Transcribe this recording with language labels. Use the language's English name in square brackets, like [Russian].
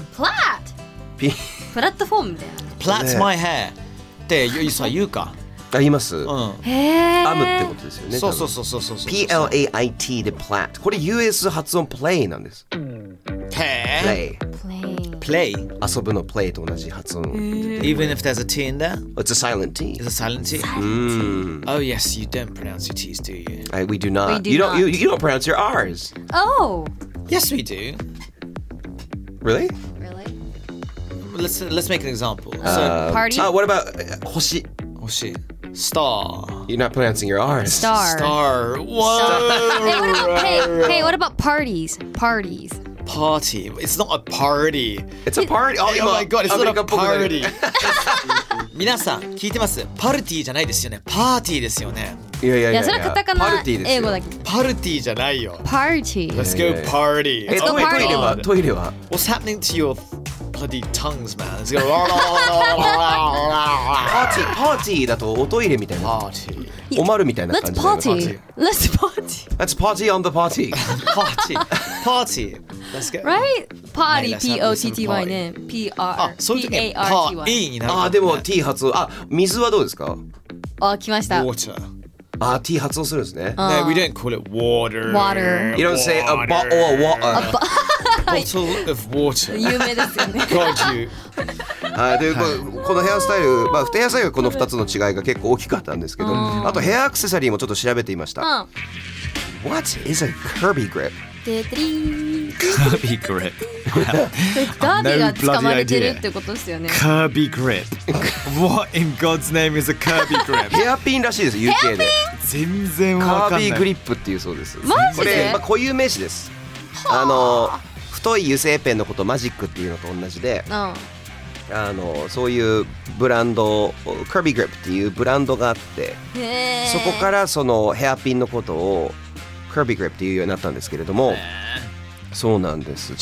[Japanese] プラットプラットフォームみたいな、プラットマイヘアって言うかあります、うん、へ、編むってことですよね、そうそうそうそうそうそう、 PLAIT でプラット、これ US 発音プレイなんです、へ、プレイ、プレイ、 [English] P play. [Japanese] 遊ぶの play と同じ発音。 [English] Even if there's a T in there? It's a silent T. It's a silent T. Silent T. Oh yes, you don't pronounce your T's, do you? We do not. We do you, not. Don't, you don't pronounce your R's. Oh. Yes, we do. Really? Really? Let's make an example. Party? What about Hoshi? Hoshi. Star. You're not pronouncing your R's. Star. Star. Whoa. Star. Hey, what about, hey, what about parties? Parties. Party. It's not a party. It's a party. Oh, oh my god, it's not a party. [Japanese] 皆さん聞いてます。パルティじゃないですよね。パーティーですよね。いやそれはカタカナ英語だけ。パルティじゃないよ。パーティー。 [English] Let's go party. Let's go party. [Japanese] トイレは。 [English] What's happening to your bloody tongues, man? Let's go. Party. [Japanese] Party だとおトイレみたいな。 [English] Party. [Japanese] おまるみたいな感じ。 [English] Let's party. Let's party. Let's party on the party. Party. Party. Let's go. Right. Party, P-O-T-T-Y ね P-R-P-A-R-T-Y [Japanese] いいになるかもね。あ、でも T 発音。あ、水はどうですか？あ、来ました。 [English] Water。 [Japanese] あ、T 発音するんですね。 [English] No, we don't call it water. Water. You don't say a bottle of water. A bottle of water. [Japanese] 有名ですよね。 [English] Got you. [Japanese] はい、で、このヘアスタイル、まあ、ヘアスタイルこの2つの違いが結構大きかったんですけど、あとヘアアクセサリーもちょっと調べてみました。 [English] What is a Kirby grip? Kirby grip. [Japanese] ガーディが捕まれてるってことですよね。 [English] Kirby grip. What in God's name is a Kirby grip? [Japanese] ヘアピンらしいです。UK で。全然わかんない。 Kirby grip っていうそうです。マジで？これ、まあ、固有名詞です。あの太い油性ペンのことマジックっていうのと同じで、あのそういうブランド Kirby grip っていうブランドがあって、そこからそのヘアピンのことをカービーグリップっていうようになったんですけれども、そうなんです。